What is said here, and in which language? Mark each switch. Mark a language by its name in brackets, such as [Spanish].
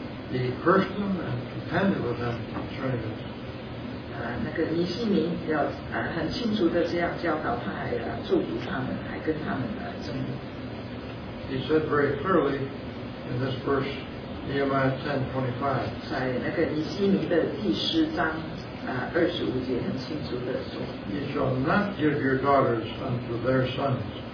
[English] He cursed them and contended with them concerning this. [Chinese] 那个尼希米要很清楚的这样教导，他还祝福他们，还跟他们争论。 [English] He said very clearly in this verse, Nehemiah 10:25. [Chinese] 在那个尼希米的第十章二十五节很清楚的说。 [English] You shall not give your daughters unto their sons.